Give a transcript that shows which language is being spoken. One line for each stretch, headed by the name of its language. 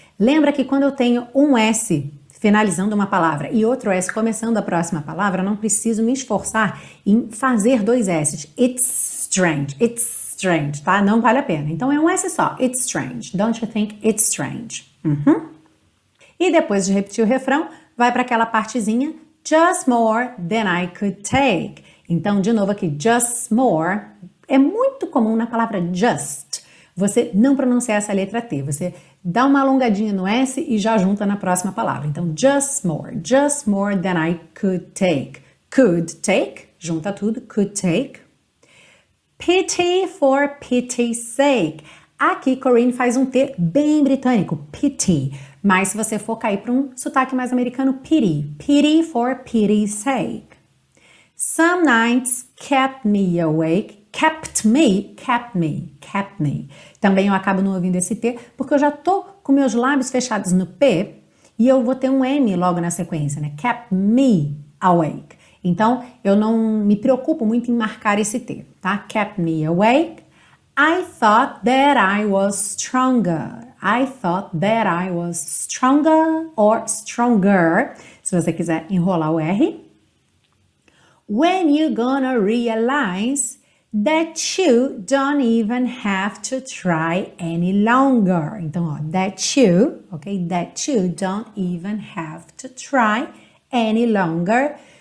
Portuguese: Lembra que quando eu tenho um S finalizando uma palavra e outro S começando a próxima palavra, não preciso me esforçar em fazer dois S's.
English: It's strange, it's strange,
Portuguese: tá? Não vale a pena. Então é um S só.
English: It's strange. Don't you think it's strange? Uhum.
Portuguese: E depois de repetir o refrão, vai para aquela partezinha.
English: Just more than I could take.
Portuguese: Então, de novo aqui,
English: just more.
Portuguese: É muito comum na palavra just você não pronunciar essa letra T. Você dá uma alongadinha no S e já junta na próxima palavra.
English: Então, just more than I could take. Could take,
Portuguese: junta tudo,
English: could take. Pity for pity's sake.
Portuguese: Aqui, Corinne faz um T bem britânico, pity. Mas se você for cair para um sotaque mais americano, pity.
English: Pity for pity's sake. Some nights kept me awake. Kept me, kept me, kept me.
Portuguese: Também eu acabo não ouvindo esse T, porque eu já tô com meus lábios fechados no P, e eu vou ter um M logo na sequência, né?
English: Kept me awake.
Portuguese: Então, eu não me preocupo muito em marcar esse T, tá?
English: Kept me awake. I thought that I was stronger. I thought that I was stronger or stronger.
Portuguese: Se você quiser enrolar o R.
English: When you gonna realize that you don't even have to try any longer.
Portuguese: Então, ó,
English: that you, ok? That you don't even have to try any longer.